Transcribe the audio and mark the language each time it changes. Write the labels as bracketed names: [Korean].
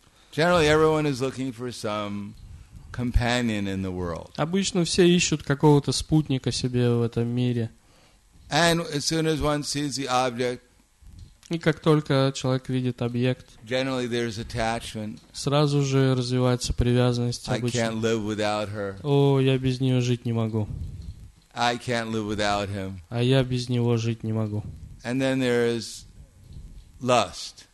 [English] Generally everyone is looking for some companion in the world. [Russian] Обычно все ищут какого-то спутника себе в этом мире. [English] And as soon as one sees the object, [Russian] и как только человек видит объект, [English] generally there is attachment. [Russian] Сразу же развивается привязанность. [English] I can't live without her. [Russian] О, я без нее жить не могу. [English] I can't live without him. [Russian] А я без него жить не могу. [English] And then there is lust.